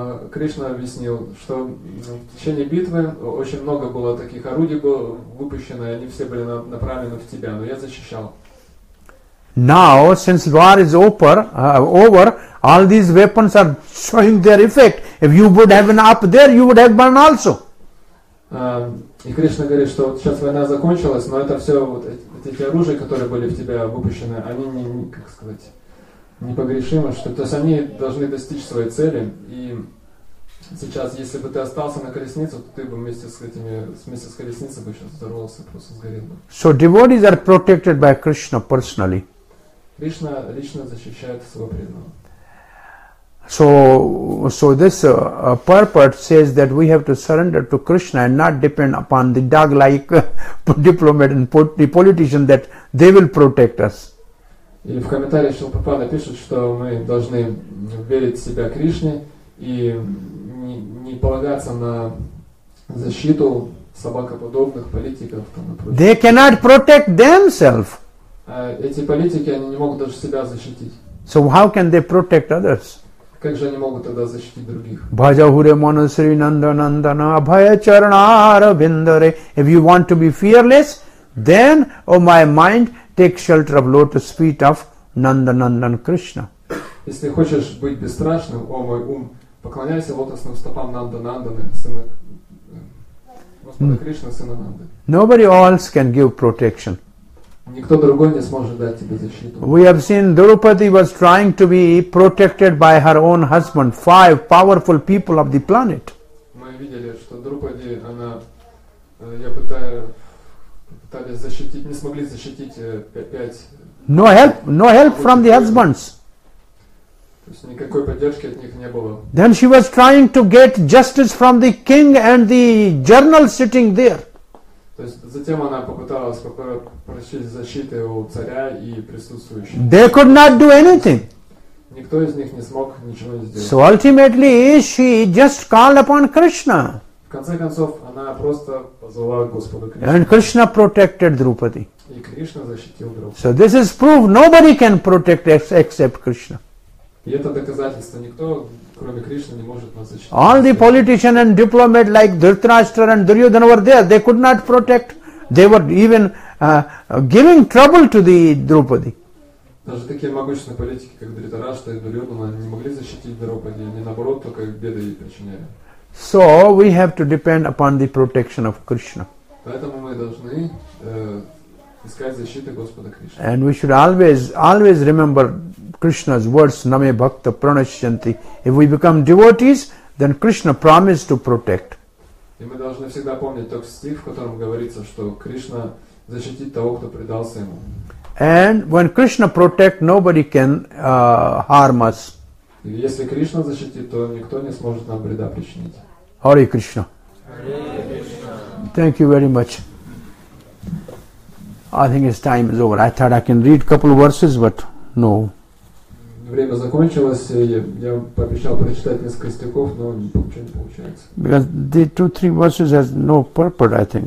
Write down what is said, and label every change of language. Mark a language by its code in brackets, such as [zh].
[ru] Кришна объяснил, что в течение битвы очень много было таких орудий было выпущено, и они все были направлены в тебя, но я защищал. [en] Now, since war is over, all these weapons are showing their effect. If you would have been up there, you would have burned also. [ru] И Кришна говорит, что вот сейчас война закончилась, но это все вот эти оружия, которые были в тебя выпущены, они непогрешимы, что то есть они должны достичь своей цели. И сейчас, если бы ты остался на колеснице, то ты бы вместе с колесницей бы сейчас взорвался, просто сгорел бы. [en] So devotees are protected by Krishna personally. [ru] Кришна лично защищает своего преданного. [en] So this purport says that we have to surrender to Krishna and not depend upon the dog-like diplomat and politician that they will protect us. [ru] И в комментариях Шрила Прабхупада пишет, что мы должны верить в себя Кришне и не полагаться на защиту собакоподобных политиков. [en] They cannot protect themselves. [ru] Эти политики, они не могут даже себя защитить. [en] So how can they protect others? [ru] Как же они могут тогда защитить других? [bn] Бхаджахуре манасри нанда нандана абхая чарнара виндаре. [en] If you want to be fearless, then, oh my mind, take shelter of lotus feet of Nanda Nandan Krishna. [ru] Если хочешь быть бесстрашным, о мой ум, поклоняйся лотосным стопам Нанда Нанданы, сына Господа Кришна, сына Нанды. [en] Nobody else can give protection. [ru] Никто другой не сможет дать тебе защиту. [en] We have seen Draupadi was trying to be protected by her own husband, five powerful people of the planet. [ru] Мы видели, что Драупади, она, я пытались защитить, не смогли защитить пять. [en] No help from the husbands. [ru] То есть никакой поддержки от них не было. [en] Then she was trying to get justice from the king and the general sitting there. [ru] То есть затем она попыталась попросить защиты у царя и присутствующих. [en] They could not do anything. [ru] Никто из них не смог ничего сделать. [en] So ultimately she just called upon Krishna. [ru] В конце концов она просто позвала Господа Кришну. [en] And Krishna protected Draupadi. [ru] И Кришна защитил Драупади. [en] So this is proof nobody can protect except Krishna. [ru] И это доказательство, никто кроме Кришны не может нас защитить. [en] All the politician and diplomat like Dhritarashtra and Duryodhana were there. They could not protect. They were even giving trouble to the Draupadi. [ru] Даже такие могущественные политики, как Дхритарашта и Дурьодхана, они не могли защитить Драупади. Они наоборот только беды ей причиняли. [en] So we have to depend upon the protection of Krishna. [ru] Поэтому мы должны искать защиты Господа Кришны. [en] And we should always remember Krishna's words, [sa] Name Bhakta Pranashyanti. [en] If we become devotees, then Krishna promised to protect. [ru] И мы должны всегда помнить тот стих, в котором говорится, что Кришна защитит того, кто предался ему. [en] And when Krishna protect, nobody can harm us. [ru] Если Кришна защитит, то никто не сможет нам вреда причинить. [en] Hare Krishna. Thank you very much. I think his time is over. I thought I can read a couple of verses, but no. [ru] Время закончилось, я пообещал прочитать несколько стихов, но ничего не получается. [en] Because the 2-3 verses has no purport, I think.